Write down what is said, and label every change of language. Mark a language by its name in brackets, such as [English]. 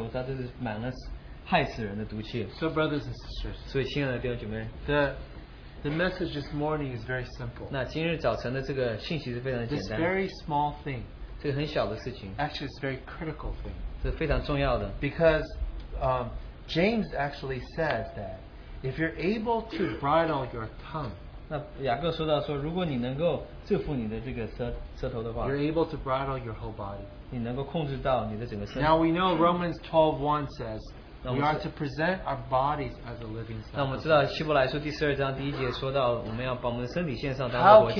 [Chinese] 那这个雅各就说到说没有人能够制服到舌头它就是满了害死人的毒气。 [English] So brothers and sisters, [Chinese] 所以亲爱的弟兄姐妹, [English] the message this morning is very simple. [Chinese] 那今日早晨的这个信息是非常简单。 [English] This very small thing, [Chinese] 这个很小的事情, [English] actually is very critical thing. [Chinese] 这非常重要的。 [English] Because James actually says that if you're able to bridle your tongue, [Chinese] 那雅各说到说, 如果你能够制服你的这个舌头的话, [English] you're able to bridle your whole body. [Chinese] 你能够控制到你的整个身体。 [English] Now we know Romans 12:1 says, we are to present our bodies as a living sacrifice. [Chinese] 那我们知道希伯来书第十二章第一节说到，我们要把我们的身体献上当活祭。